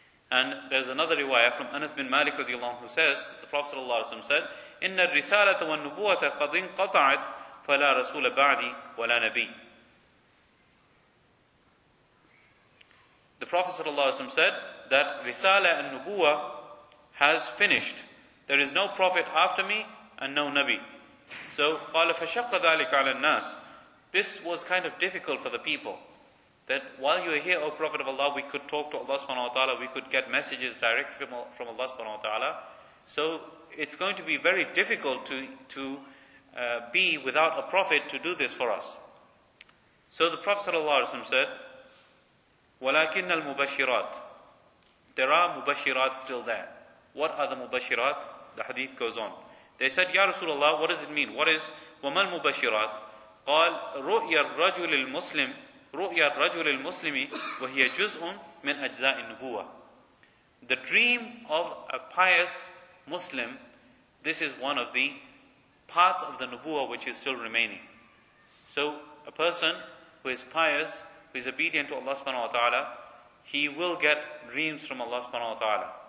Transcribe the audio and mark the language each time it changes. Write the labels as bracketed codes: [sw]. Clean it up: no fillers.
[en] And there's another riwayah from Anas bin Malik radiallahu anhu, who says, the Prophet ﷺ said, [ar] إِنَّ الرِّسَالَةَ وَالنُّبُوَةَ قَدْ انْقَطَعَتْ فَلَا رَسُولَ بَعْدِي وَلَا نَبِيٍّ. [en] The Prophet ﷺ said that Risalah and Nubuwah has finished. There is no prophet after me and no Nabi. So, [ar] قَالَ فَشَقَّ ذَلِكَ عَلَى النَّاسِ. [en] This was kind of difficult for the people. That while you are here, O Prophet of Allah, we could talk to Allah subhanahu wa ta'ala, we could get messages directly from Allah subhanahu wa ta'ala. So it's going to be very difficult to be without a prophet to do this for us. So the Prophet sallallahu alaihi wasallam said, [ar] وَلَكِنَّ الْمُبَشِّرَاتِ. [en] There are mubashirat still there. What are the mubashirat? The hadith goes on. They said, Ya Rasulullah, what does it mean? What is [ar] وَمَا الْمُبَشِّرَاتِ؟ قَالْ رُؤْيَ الرَّجُلِ الْمُسْلِمِ رؤيا الرجل المسلم وهي جزء من أجزاء النبوة. [en] The dream of a pious Muslim, this is one of the parts of the nubuwah which is still remaining. So a person who is pious, who is obedient to Allah subhanahu wa ta'ala, he will get dreams from Allah subhanahu wa ta'ala.